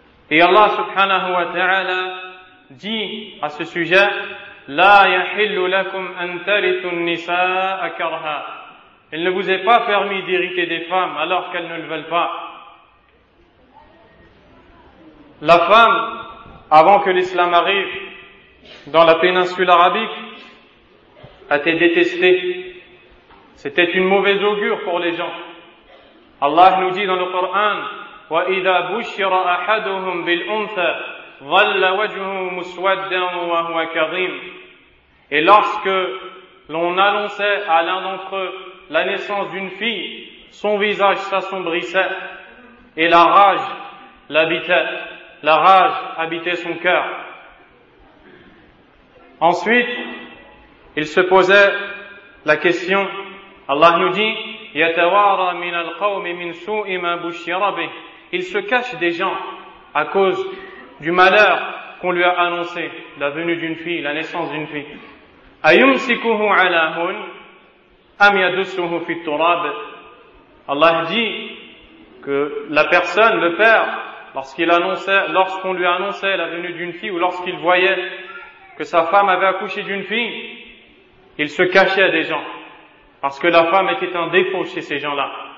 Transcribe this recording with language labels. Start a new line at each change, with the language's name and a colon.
French: Et Allah subhanahu wa ta'ala dit à ce sujet, «
Arabic: La yahillu lakum an tarithu an-nisaa karha
French: » Il ne vous est pas permis d'hériter des femmes alors qu'elles ne le veulent pas. La femme, avant que l'islam arrive dans la péninsule arabique, était détestée. C'était une mauvaise augure pour les gens. Allah nous dit dans le Coran,
Arabic: وَإِذَا بُشِّرَ أَحَدُهُمْ بِالْأُنْثَى ظَلَّ وَجْهُهُ مُسْوَدًّا وَهُوَ كَظِيمٌ.
French: Et lorsque l'on annonçait à l'un d'entre eux la naissance d'une fille, son visage s'assombrissait et la rage l'habitait. La rage habitait son cœur. Ensuite, il se posait la question. Allah nous dit,
Arabic: يَتَوَارَ مِنَ الْقَوْمِ مِنْ سُوءِ مَا بُشِّرَ بِهِ.
French: Il se cache des gens à cause du malheur qu'on lui a annoncé, la venue d'une fille, la naissance d'une fille.
Arabic: أَيُمْسِكُهُ عَلَى هُنْ أَمْ يَدُسُّهُ فِي التُّرَابِ.
French: Allah dit que la personne, le père, lorsqu'on lui annonçait la venue d'une fille ou lorsqu'il voyait que sa femme avait accouché d'une fille, il se cachait des gens. Parce que la femme était un défaut chez ces gens-là.